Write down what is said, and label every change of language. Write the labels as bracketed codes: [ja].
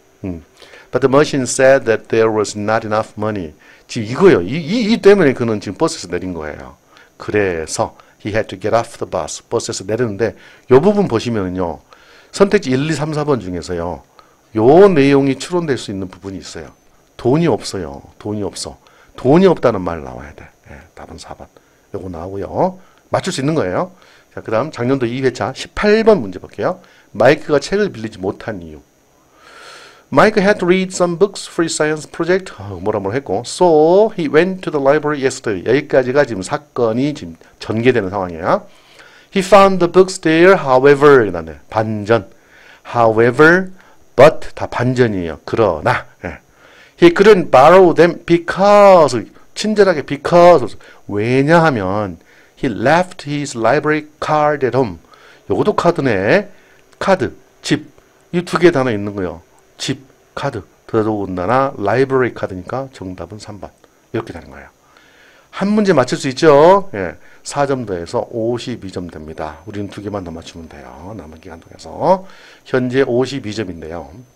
[en] But the machine said that there was not enough money. [ko] 지금 이거요. 이 때문에 그는 지금 버스에서 내린 거예요. [en] 그래서 he had to get off the bus. [ko] 버스에서 내렸는데 이 부분 보시면은요. 선택지 1, 2, 3, 4번 중에서요. 요 내용이 추론될 수 있는 부분이 있어요. 돈이 없어요. 돈이 없어. 돈이 없다는 말 나와야 돼. 예, 답은 4번. 요거 나오고요. 맞출 수 있는 거예요. 자, 그 다음, 작년도 2회차 18번 문제 볼게요. 마이크가 책을 빌리지 못한 이유. [en] Mike had to read some books for his science project. [ko] 뭐라 뭐라 했고. [en] So he went to the library yesterday. [ko] 여기까지가 지금 사건이 지금 전개되는 상황이에요. [en] He found the books there, however. 반전. However, [ko] but 다 반전이에요. 그러나 예. [en] he couldn't borrow them because 친절하게 because 왜냐하면 he left his library card at home. [ko] 요것도 카드네. 카드 집 이 두 개 단어 있는 거요. 집 카드 더더군다나 library 카드니까 정답은 3번 이렇게 되는 거예요. 한 문제 맞출 수 있죠? 예. 4점 더해서 52점 됩니다. 우리는 두 개만 더 맞추면 돼요. 남은 기간 통해서. 현재 52점인데요.